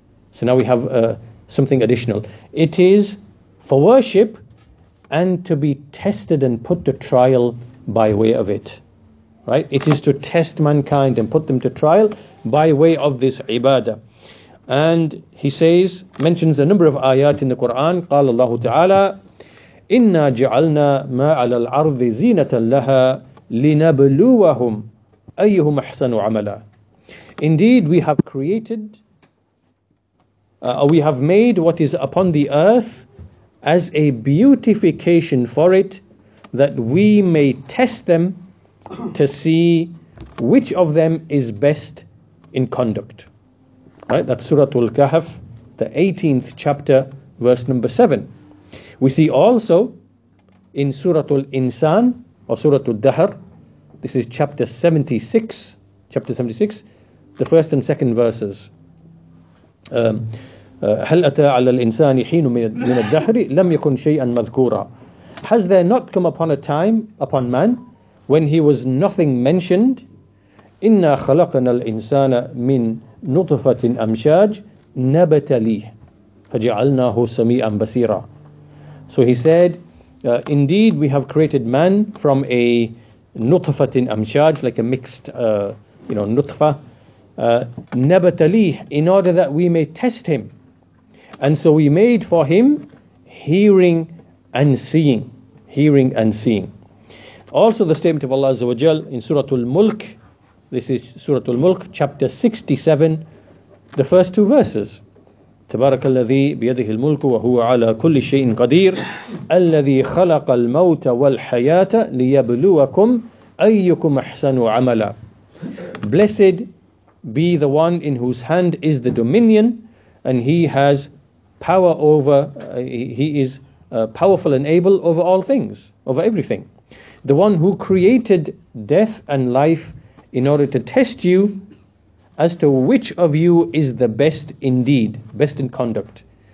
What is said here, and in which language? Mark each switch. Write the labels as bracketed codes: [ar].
[en] So now we have something additional. It is for worship and to be tested and put to trial by way of it. Right, it is to test mankind and put them to trial by way of this ibadah. And he says, mentions a number of ayat in the Quran. [ar] قال الله تعالى إنا جعلنا ما على الأرض زينة لها لنبلوهم أيهم أحسن عملا. [en] Indeed, we have created, we have made what is upon the earth as a beautification for it, that we may test them to see which of them is best in conduct. Right, that's Surah Al-Kahf, the 18th chapter, verse number 7. We see also in Surah Al-Insan, or Surah Al-Dahr, this is chapter 76, the first and second verses. [ar] هل أتى على الإنسان حين من الدهر لم يكن شيئا مذكورا. [en] Has there not come upon a time upon man when he was nothing mentioned? [ar] إنا خلقنا الإنسان من نطفة أمشاج نبت لي فجعلناه سميعا بصيرا. [en] So he said, indeed we have created man from a نطفة أمشاج, like a mixed نطفة, نبت لي, in order that we may test him. And so we made for him hearing and seeing. Hearing and seeing. Also the statement of Allah Azza wa Jal in Surah Al-Mulk, this is Surah Al-Mulk, chapter 67, the first two verses. [ar] تبارك الذي بيده الملك وهو على كل شيء قدير الذي خلق الموت والحياة ليبلوكم أيكم أحسن عملا. [en] Blessed be the one in whose hand is the dominion, and he has power over, he is powerful and able over all things, over everything. The one who created death and life in order to test you as to which of you is the best indeed, best in conduct.